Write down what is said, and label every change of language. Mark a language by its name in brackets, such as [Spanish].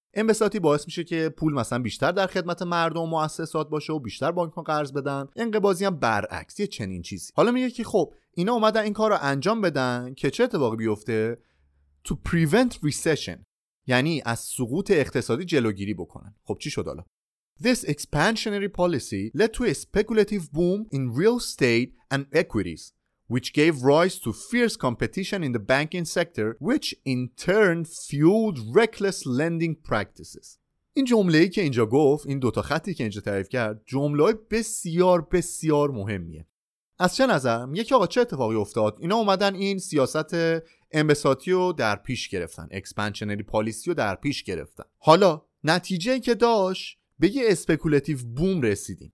[Persian] انبساطی باعث میشه که پول مثلا بیشتر در خدمت مردم و مؤسسات باشه و بیشتر بانک‌ها قرض بدن. انقباضی هم برعکس، یه چنین چیزی. حالا میگه که خب اینا اومدن این کار رو انجام بدن که چه اتفاقی بیفته؟ [English] To prevent recession، [Persian] یعنی از سقوط اقتصادی جلوگیری بکنن. خب چی شد حالا؟ [English] This expansionary policy led to a speculative boom in real estate and equities which gave rise to fierce competition in the banking sector which in turn fueled reckless lending practices. [Persian] این جمله‌ای که اینجا گفت، این دوتا خطی که اینجا تعریف کرد، جمله‌ای بسیار بسیار مهمیه. از چه نظر؟ یکی آقا چه اتفاقی افتاد؟ اینا اومدن این سیاست انبساطی رو در پیش گرفتن، اکسپنشنری پالیسی رو در پیش گرفتن. حالا نتیجه‌ای که داشت، به یه اسپکولتیو بوم رسیدیم.